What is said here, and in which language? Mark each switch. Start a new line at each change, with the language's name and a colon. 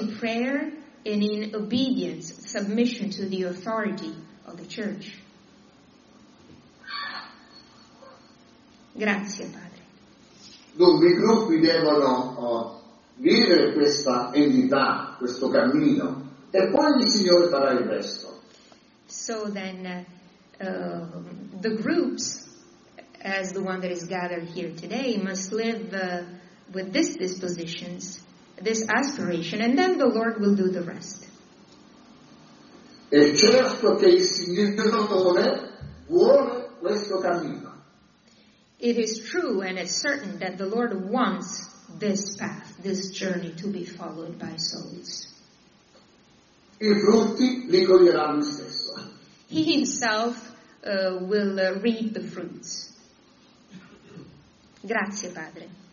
English: In prayer and in obedience, submission to the authority of the Church.
Italian: Grazie, Padre. Dunque, i gruppi devono vivere questa entità, questo cammino, e poi il Signore farà il resto.
English: So then, the groups, as the one that is gathered here today, must live with this dispositions, this aspiration, and then the Lord will do the rest.
Italian: È certo che il Signore vuole questo cammino.
English: It is true and it's certain that the Lord wants this path, this journey, to be followed by souls.
Italian: I frutti li coglieranno stesso.
English: He himself will reap the fruits.
Italian: Grazie, Padre.